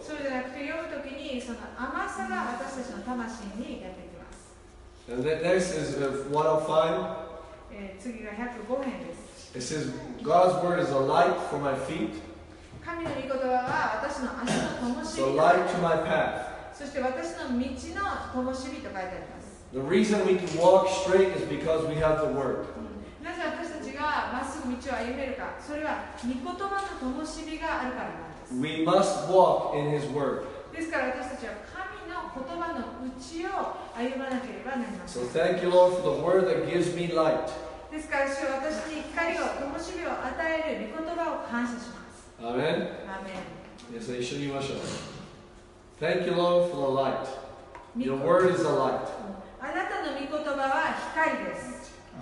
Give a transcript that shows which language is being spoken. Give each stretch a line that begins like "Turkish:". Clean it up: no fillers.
Japanese: そうじゃなくて、読むときにその甘さが私たちの魂にやってきます。
English: And then next is 105.
Japanese: 次が105編です。
English: It says, God's word is a light for my feet.
Japanese: 神の御言葉は私の足の灯火。
English: The light to my path.
Japanese: そして私の道の灯火と書いてあります。
English: The reason we can walk straight is because we have the word.
Japanese: なぜ私たちがまっすぐ道を歩めるか、それは御言葉の灯火があるからなんです。
English: We must walk in His word.
Japanese: ですから私たちは神の言葉の内を歩まなければなりません。
English: So thank you, Lord, for the word that gives me light.
Japanese: ですから主は私に光を灯火を与える御言葉を感謝します。アメン。皆さん一緒に言いましょう。
English: Thank you, Lord, for the light. Your word is a light.
Japanese: あなたの御言葉は光です。